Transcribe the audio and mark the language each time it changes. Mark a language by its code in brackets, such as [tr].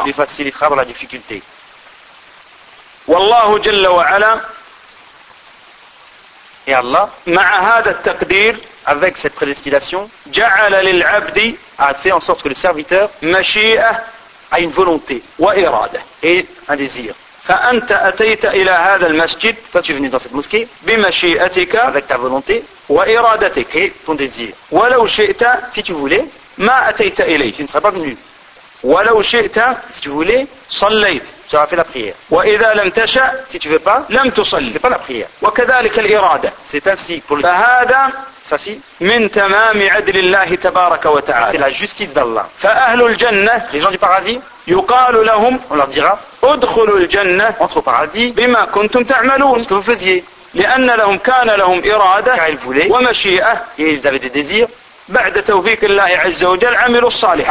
[fr] On lui facilitera dans la difficulté. [ar] والله جل وعلا. [fr] Et Allah. [ar] مع هذا التقدير. [fr] Avec cette prédestination, [ar] جعل للعبد [fr] a fait en sorte que le serviteur [ar] مشيئة [fr] a une volonté [ar] وإرادة [fr] et un désir. [ar] فأنت أتيت إلى هذا المسجد [fr] toi tu es venu dans cette mosquée [ar] بمشيئتك [fr] avec ta volonté [ar] وإرادتك [fr] et ton désir. [ar] ولو شئت [fr] si tu voulais [ar] ما أتيت إليه [fr] tu ne serais pas venu. [ar] ولو شئت [fr] si tu voulais, [ar] صليت [fr] tu as fait la prière. [ar] وإذا لم تشاء [fr] si tu veux pas, [ar] لم تصلي [fr] pas la prière. [ar] وكذلك الإرادة [fr] c'est ainsi pour le... [ar] فهذا [fr] ça, si. [ar] من تمام عدل الله تبارك وتعالى [fr] c'est la justice d'Allah. [ar] فأهل الجنة [fr] les gens du paradis [ar] يقال لهم [fr] on leur dira [ar] ادخلوا الجنة [fr] entre au paradis [ar] بما كنتم تعملون [fr] ce que vous faisiez. [ar] لأن لهم كان لهم إرادة [fr] car ils voulaient [ar] ومشيئة [fr] et ils avaient des désirs. [ar] بعد توفيق الله عز وجل عملوا الصالح